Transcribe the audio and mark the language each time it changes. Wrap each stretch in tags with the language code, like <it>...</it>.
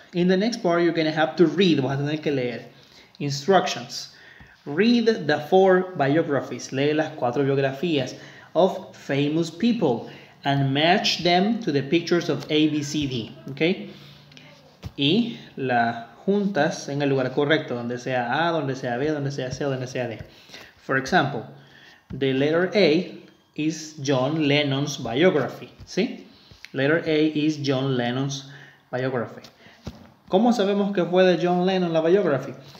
<en>In the next part you're going to have to read.</en> <es>Vas a tener que leer.</es> <en>Instructions. Read the four biographies.</en> <es>Lee las cuatro biografías.</es> <en>Of famous people. And match them to the pictures of A, B, C, D.</en> <es>Okay. Y la... juntas en el lugar correcto, donde sea A, donde sea B, donde sea C, donde sea D.</es> <en>For example, the letter A is John Lennon's biography. ¿Sí? Letter A is John Lennon's biography.</en> <es>¿Cómo sabemos que fue de John Lennon la biography?</es>